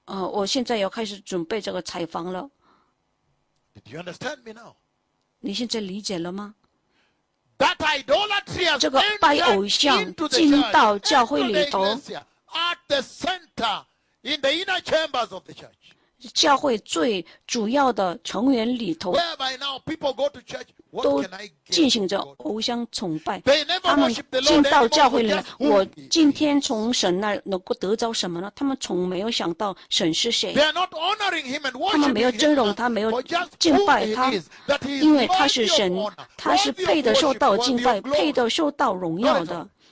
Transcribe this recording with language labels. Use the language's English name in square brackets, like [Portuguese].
[Chinese] 我现在要开始准备这个采访了。 [English] Did you understand me now? [Chinese] 你现在理解了吗？ [English] That idolatry has [Chinese] 这个拜偶像进到教会里头， [English] at the center, in the inner chambers of the church. [Chinese] 教会最主要的成员里头， [English] whereby now people go to church, what can I get? [Chinese] 都进行着偶像崇拜。 [English] They never worship the Lord anymore. [Chinese] 进到教会里，我今天从神那能够得着什么呢？他们从没有想到神是谁。 [English] They are not honoring him and worshiping [Chinese] him. 他们没有尊荣他，没有敬拜他，因为他是神，他是配得受到敬拜，配得受到荣耀的。